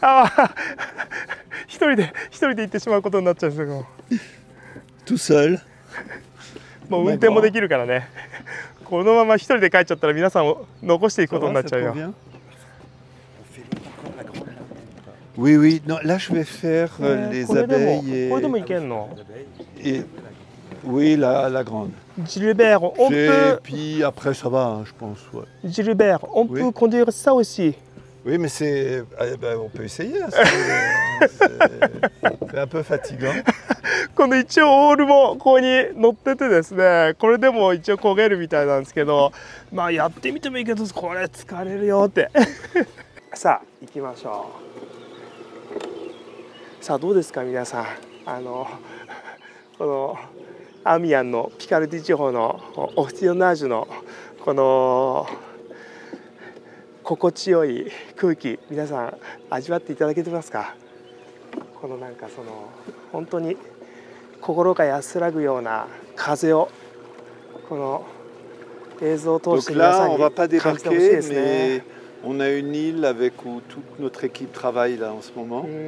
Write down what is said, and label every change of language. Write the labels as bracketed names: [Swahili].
[Japanese] Ah, 一人で行ってしまうことになっちゃうんですよ。 [French] Tout seul. [Japanese] もう運転もできるからね。このまま一人で帰っちゃったら皆さんを残していくことになっちゃうよ。 [French] Oui, oui. Non, là, je vais faire les abeilles et... [Japanese] これでもいけんの [French] Oui, la grande. Gilbert, on peut... Et puis après, ça va, je pense. Ouais. Gilbert, on peut conduire ça aussi. Oui, mais c'est... Eh ben, on peut essayer. C'est un peu fatigant. [Japanese] この一応オールもここに乗っててですね、これでも一応焦げるみたいなんですけど、まあやってみてもいいけど、これ疲れるよって。さあ、行きましょう。さあ、どうですか皆さん。あの、このアミアンのピカルディ地方のオフティオナージュのこの心地よい空気、皆さん味わっていただけてますか。このなんかその、本当に心が安らぐような風をこの映像を通して皆さんに感じてほしいですね。 [French] On a une île avec où toute notre équipe travaille là en ce moment.